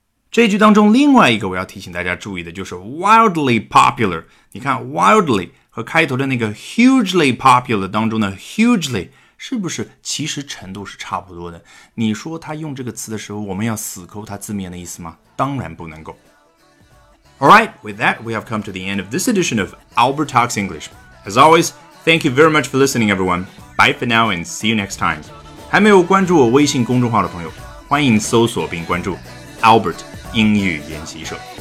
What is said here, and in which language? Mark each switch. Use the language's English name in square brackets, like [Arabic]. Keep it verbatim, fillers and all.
[Chinese] 这句当中另外一个我要提醒大家注意的就是 [English] wildly popular， [Chinese] 你看 wildly 和开头的那个 hugely popular 当中的 hugely 是不是其实程度是差不多的？你说他用这个词的时候我们要死抠他字面的意思吗？当然不能够。 [English] Alright, with that we have come to the end of this edition of Albert Talks English. As always, thank you very much for listening everyone. Bye for now and see you next time. [Chinese] 还没有关注我微信公众号的朋友，欢迎搜索并关注 Albert英语研习社。